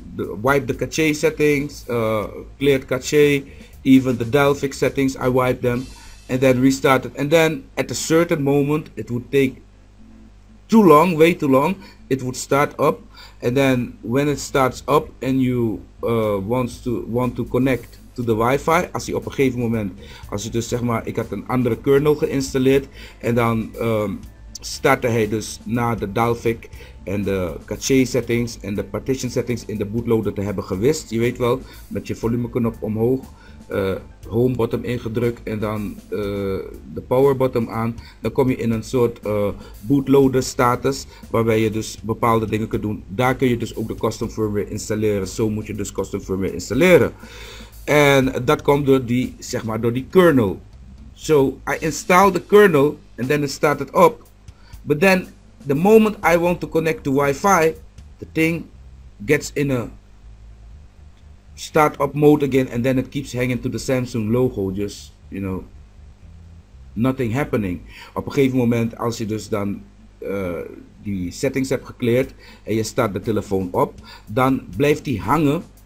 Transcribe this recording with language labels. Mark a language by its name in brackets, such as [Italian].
[English] wipe the cache settings, cleared cache, even the Delphix settings, I wiped them and then restarted. And then at a certain moment, it would take too long, way too long, it would start up. And then when it starts up and you want to connect to the Wi-Fi, [Dutch] als hij op een gegeven moment, als je dus zeg maar, ik had een andere kernel geïnstalleerd en dan startte hij dus na de Dalvik en de cache settings en de partition settings in de bootloader te hebben gewist. Je weet wel, met je volumeknop omhoog, home button ingedrukt en dan de power button aan, dan kom je in een soort bootloader status waarbij je dus bepaalde dingen kunt doen. Daar kun je dus ook de custom firmware installeren. Zo moet je dus custom firmware installeren. En dat komt door die, zeg maar, door die kernel. [English] So I install the kernel and then it started up. But then the moment I want to connect to Wi-Fi, the thing gets in a start up mode again and then it keeps hanging to the Samsung logo. Just, you know, nothing happening. [Dutch] Op een gegeven moment, als je dus dan die settings hebt gecleared en je start de telefoon op, dan blijft die hangen.